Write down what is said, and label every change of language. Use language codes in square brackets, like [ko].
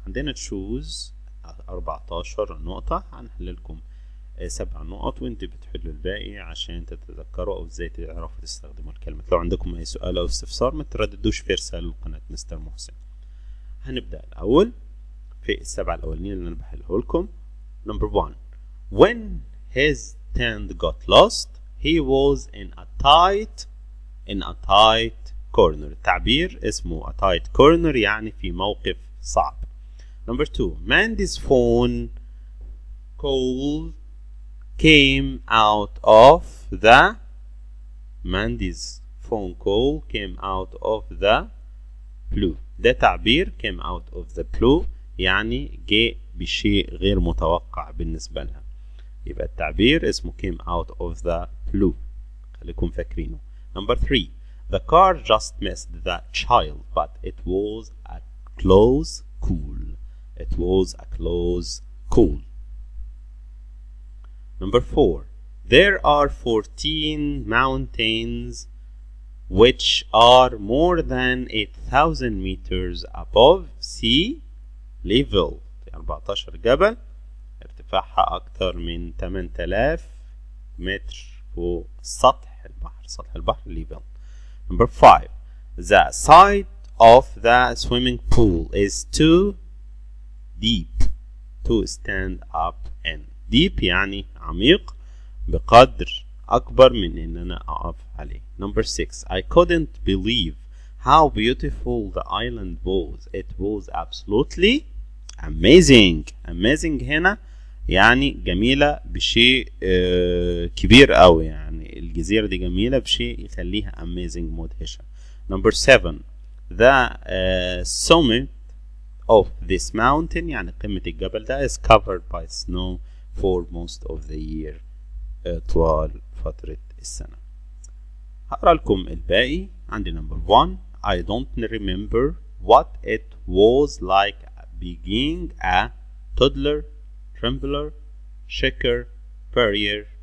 [ar] عندنا تشوز 14 نقطة, هنحللكم 7 نقط وانت بتحلوا الباقي عشان تتذكروا او ازاي تعرفوا تستخدموا الكلمة. لو عندكم اي سؤال او استفسار ما ترددوش في رسالة لقناة مستر محسن. هنبدأ الاول في السبعة الاولين اللي انا بحله لكم. [en] Number one, when his tent got lost he was in a tight in a tight corner. [ar] التعبير اسمه [en] a tight corner [ar] يعني في موقف صعب. [en] Number two, Mandy's phone call came out of the Mandy's phone call came out of the blue. [ar] ده تعبير [en] came out of the blue [ar] يعني جاء بشيء غير متوقع بالنسبة لها. يبقى التعبير اسمه [en] came out of the blue. [ar] خليكم فاكرينه. [en] Number three, the car just missed the child, but it was a close call. It was a close call. Number four, there are 14 mountains which are more than 8,000 meters above sea level. [ar] 14 جبل ارتفاعها اكتر من 8000 متر فوق سطح البحر. سطح البحر level. [en] Number five, the side of the swimming pool is too deep to stand up in. [ar] Deep يعني عميق بقدر أكبر من إن أنا أقف عليه. [en] Number six, I couldn't believe how beautiful the island was. It was absolutely amazing. [ar] Amazing هنا يعني جميلة بشيء كبير أوي. يعني الجزيرة دي جميلة بشيء يخليها amazing مدهشة. [en] Number seven, the summit of this mountain [ar] يعني قمة الجبل ده [en] is covered by snow for most of the year. [ar] طوال فترة السنة. هقرأ لكم الباقي. عندي [en] number one, I don't remember what it was like being a toddler, trembler, shaker, prayer.